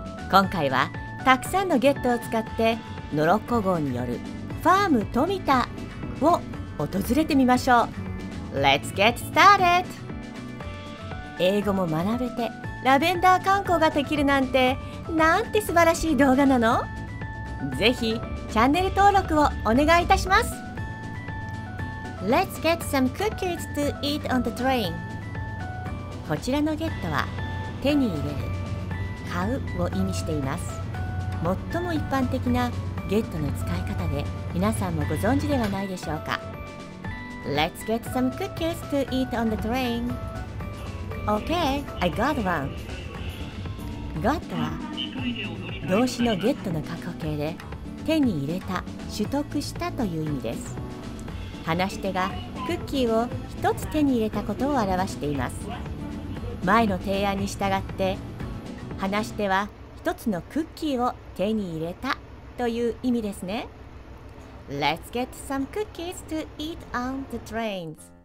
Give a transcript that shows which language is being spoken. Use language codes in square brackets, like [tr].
[ja] 今回はたくさんの Get を使ってノロッコ号によるファーム富田を訪れてみましょう。 [en] Let's get started。 [ja] 英語も学べてラベンダー観光ができるなんて、なんて素晴らしい動画なの。ぜひチャンネル登録をお願いいたします。 [en] Let's get some cookies to eat on the train。 [ja] こちらのゲットは手に入れる、買うを意味しています。最も一般的なゲットの使い方で、皆さんもご存知ではないでしょうか。 Let's get some cookies to eat on the train。 [en] Okay, I got one. [ja] Got は動詞の get の過去形で、手に入れた、取得したという意味です。話し手がクッキーを一つ手に入れたことを表しています。前の提案に従って、話し手は一つのクッキーを手に入れたという意味ですね。 [en] Let's get some cookies to eat on the trains.